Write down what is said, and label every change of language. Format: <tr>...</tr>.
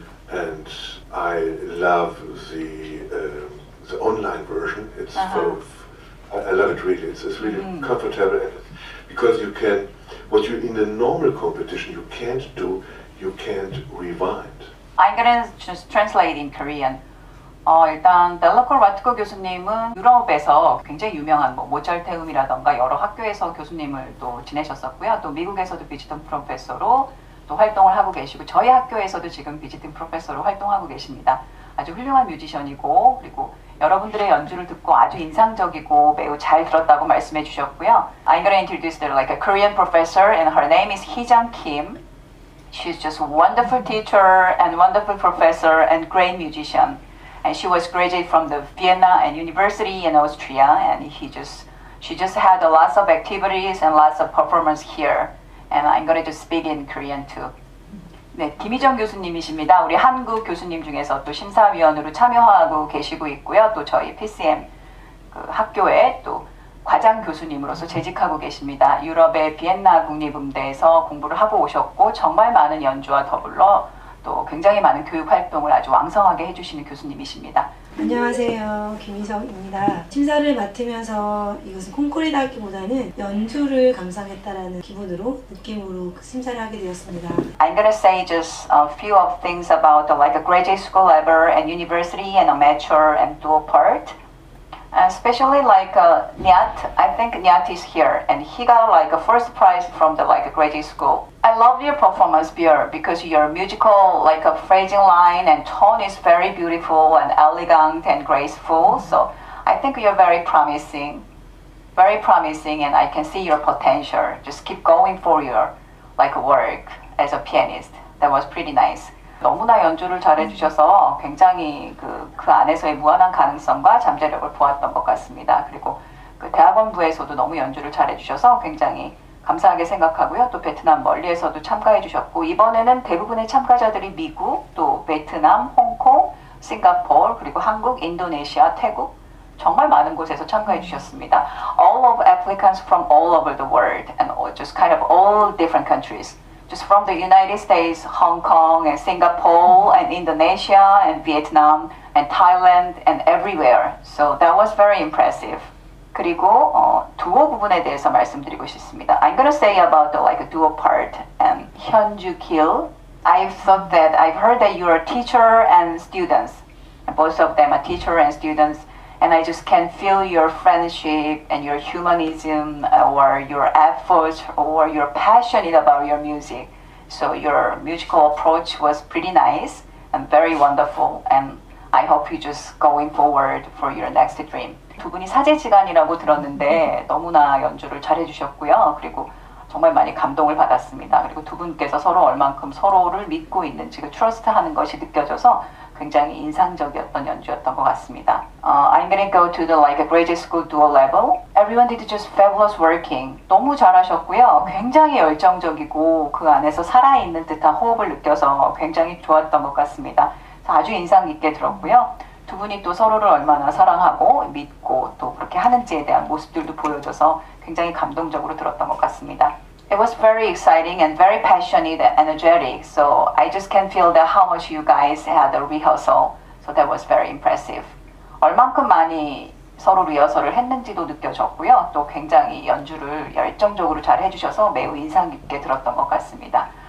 <en>And I love the online version. It's I love it really. It's really comfortable, because you can, what you in a normal competition you can't do, you can't rewind. I'm gonna just translate in Korean.</en> <ko>일단 달로코 라트코 교수님은 유럽에서 굉장히 유명한 뭐 모차르트음이라던가 여러 학교에서 교수님을 또 지내셨었고요. 또 미국에서도 비지던 프로페서로 또 활동을 하고 계시고 저희 학교에서도 지금 비지팅 프로페서로 활동하고 계십니다. 아주 훌륭한 뮤지션이고 그리고 여러분들의 연주를 듣고 아주 인상적이고 매우 잘 들었다고 말씀해 주셨고요.</ko> <en>I'm going to introduce her like a Korean professor and her name is Heejung Kim. She's just a wonderful teacher and wonderful professor and great musician. And she was graduated from the Vienna and University in Austria, and she just had lots of activities and lots of performance here. And I'm going to speak in Korean too.</en> <ko>네, 김희정 교수님이십니다. 우리 한국 교수님 중에서 또 심사위원으로 참여하고 계시고 있고요. 또 저희 PCM 그 학교에 또 과장 교수님으로서 재직하고 계십니다. 유럽의 비엔나 국립음대에서 공부를 하고 오셨고 정말 많은 연주와 더불어 또 굉장히 많은 교육 활동을 아주 왕성하게 해주시는 교수님이십니다. 안녕하세요. 김희정입니다. 심사를 맡으면서 이것은 콩쿠르다 하기보다는 연주를 감상했다라는 기분으로, 느낌으로 심사를 하게 되었습니다.</ko> <en>I'm going to say just a few of things about the, like a graduate school level and university and amateur and dual part. Especially like Nyat, I think Nyat is here and he got like a first prize from the like a graduate school. I love your performance, Björn, because your musical like a phrasing line and tone is very beautiful and elegant and graceful. So I think you're very promising, and I can see your potential. Just keep going for your like work as a pianist. That was pretty nice.</en> <ko>너무나 연주를 잘해주셔서 굉장히 그 안에서의 무한한 가능성과 잠재력을 보았던 것 같습니다. 그리고 그 대학원부에서도 너무 연주를 잘해주셔서 굉장히 감사하게 생각하고요. 또 베트남 멀리에서도 참가해주셨고 이번에는 대부분의 참가자들이 미국, 또 베트남, 홍콩, 싱가포르, 그리고 한국, 인도네시아, 태국 정말 많은 곳에서 참가해주셨습니다.</ko> <en>All of applicants from all over the world and all, just kind of all different countries. Just from the United States, Hong Kong, and Singapore, and Indonesia, and Vietnam, and Thailand, and everywhere. So that was very impressive.</en> <ko>그리고 두어 부분에 대해서 말씀드리고 싶습니다.</ko> <en>I'm gonna say about the like duo part and Hyunju Kil. I've heard that you're a teacher and students. And both of them are teacher and students. And I just can feel your friendship and your humanism or your efforts or your passion about your music. So your musical approach was pretty nice and very wonderful. And I hope you're just going forward for your next dream.</en> <ko>두 분이 사제지간이라고 들었는데 너무나 연주를 잘해주셨고요. 그리고 정말 많이 감동을 받았습니다. 그리고 두 분께서 서로 얼만큼 서로를 믿고 있는지 그 트러스트 하는 것이 느껴져서 굉장히 인상적이었던 연주였던 것 같습니다.</ko> <en>I'm going to go to the like a graduate school dual level. Everyone did just fabulous working.</en> <ko>너무 잘하셨고요. 굉장히 열정적이고 그 안에서 살아있는 듯한 호흡을 느껴서 굉장히 좋았던 것 같습니다. 아주 인상 깊게 들었고요. 두 분이 또 서로를 얼마나 사랑하고 믿고 또 그렇게 하는지에 대한 모습들도 보여줘서 굉장히 감동적으로 들었던 것 같습니다.</ko> <en>It was very exciting and very passionate and energetic. So I just can feel that how much you guys had a rehearsal. So that was very impressive.</en> <ko>얼만큼 많이 서로 리허설을 했는지도 느껴졌고요. 또 굉장히 연주를 열정적으로 잘 해주셔서 매우 인상 깊게 들었던 것 같습니다.</ko>